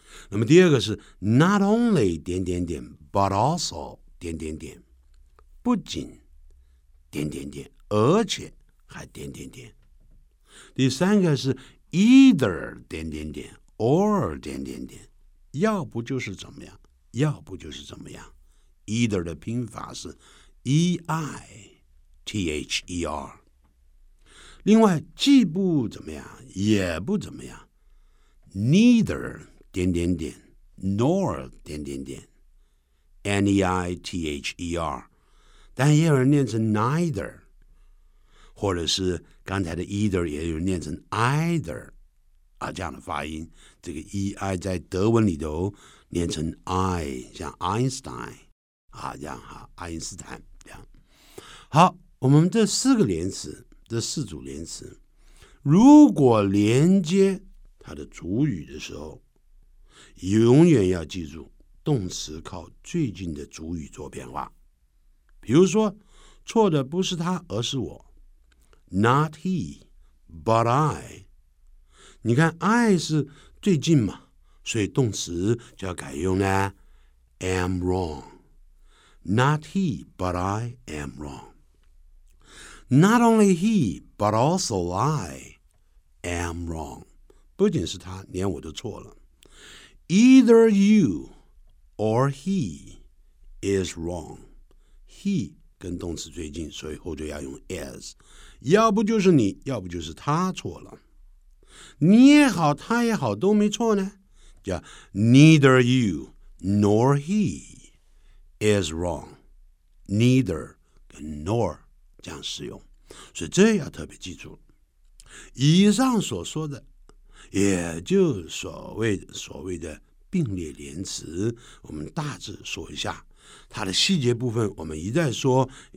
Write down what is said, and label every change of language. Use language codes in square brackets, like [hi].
[zh] 那么第二个是 [en] not only [zh] 点点点 ， [en] but also [zh] 点点点，不仅点点点，而且还点点点。第三个是 either 点点点 ，or 点点点，要不就是怎么样，要不就是怎么样。 either 的拼法是 e i t h e r。另外，既不怎么样，也不怎么样 ， [en] neither 点点点 ，nor [zh] 点点点 ，neither， 但也有人念成 neither， 或者是刚才的 either 也有人念成 either， 啊，这样的发音，这个 ei 在德文里头念成 i， 像 Einstein， 啊，这样哈，爱因斯坦这样。好，我们这四个连词。这四组连词如果连接它的主语的时候，永远要记住动词靠最近的主语做变化。比如说错的不是他而是我， [en] not he but I， [zh] 你看 I 是最近嘛，所以动词就要改用呢 [en] am wrong， not he but I am wrong。 Not only he, but also I am wrong. [zh] 不仅是他，连我都错了。 [en] Either you or he is wrong. [zh] He 跟动词最近，所以后就要用 is。要不就是你，要不就是他错了。你也好，他也好，都没错呢。叫 [en] neither you nor he is wrong. [zh] Neither 跟 nor 这样使用。所以这要特别记住，以上所说的也就所谓的并列连词，我们大致说一下它的细节部分，我们一再说，